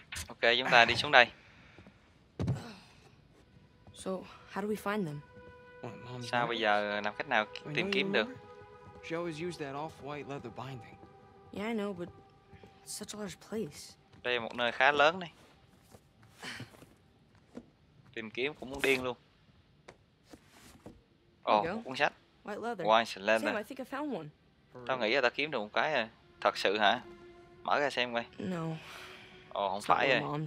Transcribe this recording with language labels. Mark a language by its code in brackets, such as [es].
[vi] Okay, chúng ta đi xuống đây. [en] So, how do we find them? [vi] Sao bây giờ làm cách nào tìm kiếm được? [en] She always used that off-white leather binding. Yeah, I know, but it's such a large place. [vi] Đây là một nơi khá lớn này. Tìm kiếm cũng muốn điên luôn. Oh, một cuốn sách. [en] White leather. White leather. Sam, I think I found one. [vi] Tao nghĩ là tao kiếm được một cái rồi. Thật sự hả? Mở ra xem coi. [en] No. [vi] Oh, không phải rồi.